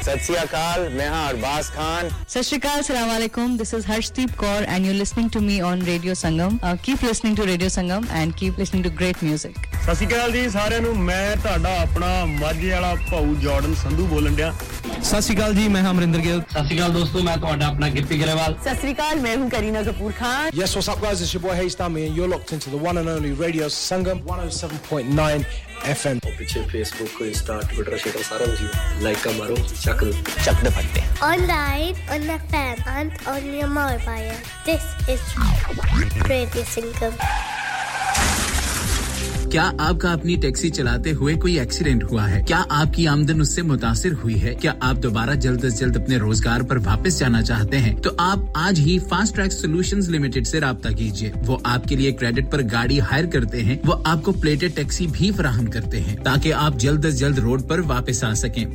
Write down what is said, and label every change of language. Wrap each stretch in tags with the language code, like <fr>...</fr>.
<pa>सत श्री अकाल मैं हां अरबाज खान</pa> <en>सत श्री अकाल अस्सलाम वालेकुम this is Harshdeep Kaur and you listening to me on radio Sangam keep listening to radio Sangam and keep listening to great music</en> <pa>सत श्री अकाल जी सारेयां नूं मैं तुहाडा अपना माझी वाला भाऊ जॉर्डन संधू बोलन दिया ਸਤਿ ਸ਼੍ਰੀ ਅਕਾਲ ਜੀ ਮੈਂ ਅਮਰਿੰਦਰ ਗਿੱਲ ਸਤਿ ਸ਼੍ਰੀ ਅਕਾਲ ਦੋਸਤੋ ਮੈਂ ਤੁਹਾਡਾ ਆਪਣਾ ਗਿੱਪੀ ਗਰੇਵਾਲ</pa> <hi>ਸਤਿ ਸ਼੍ਰੀ ਅਕਾਲ ਮੈਂ ਹੂੰ Kareena Kapoor Khan</hi> <en>yes what's up guys it's your boy hey ਸਟਾਮੀ and you are locked in to the one and only radio Sangam 107.9 FM</en> <pa>ਉਹ ਪਿੱਛੇ ਫੇਸਬੁੱਕ ਇੰਸਟਾ ਟਵਿੱਟਰ ਸ਼ੇਅਰ ਸਾਰਾ ਕੁਝ ਲਾਈਕ ਕਰ ਮਾਰੋ ਚੱਕ ਦੇ ਫੱਟੇ</pa> <en>online on FM and on your mobile this is radio Sangam</en> <hi>क्या आपका अपनी टैक्सी चलाते हुए कोई एक्सीडेंट हुआ है क्या आपकी आमदनी उससे मुतासिर हुई है क्या आप दोबारा जल्द से जल्द अपने रोजगार पर वापस जाना चाहते हैं तो आप आज ही फास्ट ट्रैक सॉल्यूशंस लिमिटेड से رابطہ कीजिए वो आपके लिए क्रेडिट पर गाड़ी हायर करते हैं वो आपको प्लेटेड टैक्सी भी प्रदान करते हैं ताकि आप जल्द से जल्द रोड पर वापस आ सकें</hi>